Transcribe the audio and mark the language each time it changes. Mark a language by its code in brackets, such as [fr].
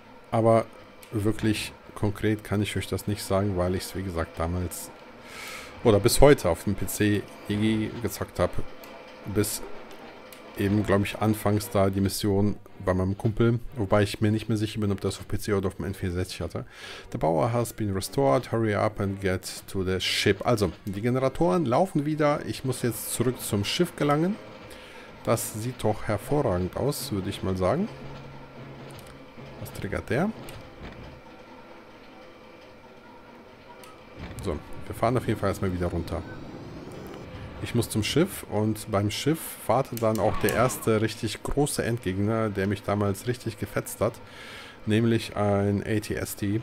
[de] Aber wirklich konkret kann ich euch das nicht sagen, weil ich es wie gesagt damals oder bis heute auf dem PC EG gezockt habe, bis eben, glaube ich, anfangs da die Mission bei meinem Kumpel, wobei ich mir nicht mehr sicher bin, ob das auf PC oder auf dem N64 hatte. [en] The power has been restored, hurry up and get to the ship. [de] Also, die Generatoren laufen wieder, ich muss jetzt zurück zum Schiff gelangen. Das sieht doch hervorragend aus, würde ich mal sagen. Was triggert der? So, wir fahren auf jeden Fall erstmal wieder runter. Ich muss zum Schiff und beim Schiff wartet dann auch der erste richtig große Endgegner, der mich damals richtig gefetzt hat, nämlich ein AT-ST.